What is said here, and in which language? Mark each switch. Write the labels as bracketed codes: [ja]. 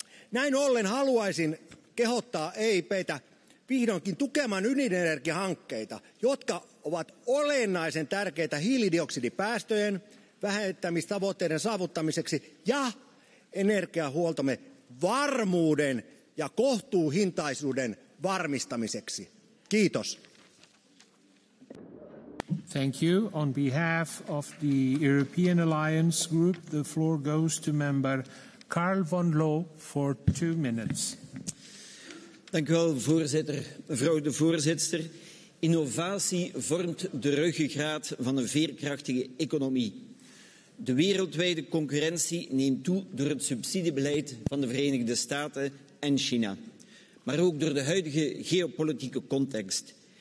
[fi] Näin ollen haluaisin kehottaa EIP:tä vihdoinkin tukemaan ydinenergiahankkeita, jotka ovat olennaisen tärkeitä hiilidioksidipäästöjen vähentämistavoitteiden saavuttamiseksi ja energiahuoltomme varmuuden ja kohtuuhintaisuuden varmistamiseksi. Kiitos. [en] Thank you. On behalf of the European Alliance Group, the floor goes to Member Carl von Loo for 2 minutes. [nl] Dank u wel, voorzitter. Mevrouw de voorzitter, innovatie vormt de ruggengraat van een veerkrachtige economie. De wereldwijde concurrentie neemt toe door het subsidiebeleid van de Verenigde Staten en China, maar ook door de huidige geopolitieke context.